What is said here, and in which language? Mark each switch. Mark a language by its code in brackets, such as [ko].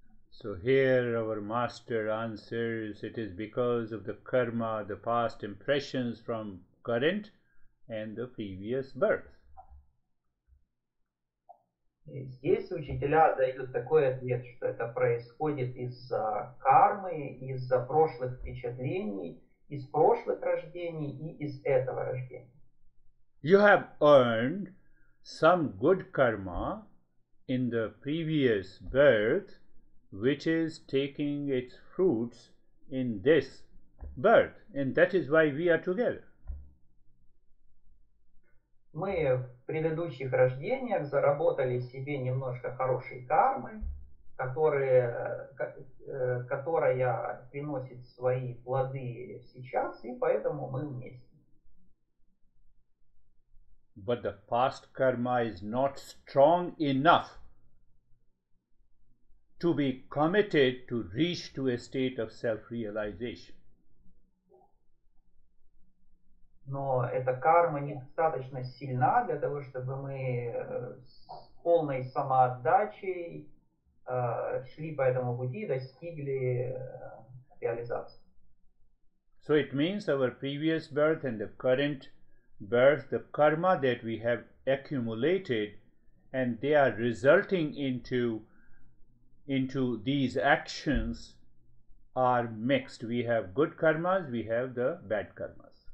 [en] So here our master answers, it is because of the karma, the past impressions from current and the previous birth. [ru] Здесь учителя дают такой ответ, что это происходит из-за кармы, из-за прошлых впечатлений, из прошлых рождений и из этого рождения. [en] You have earned some good karma in the previous birth, which is taking its fruits in this birth. And that is why we are together. [ru] Мы в предыдущих рождениях заработали себе немножко хорошей кармы, которая приносит свои плоды сейчас, и поэтому мы вместе. [en] But the past karma is not strong enough to be committed to reach to a state of self-realization. [ru] Но эта карма недостаточно сильна для того, чтобы мы с полной самоотдачей шли по этому пути, достигли реализации. [en] So it means our previous birth and the current birth, the karma that we have accumulated, and they are resulting into these actions are mixed. We have good karmas, we have the bad karmas.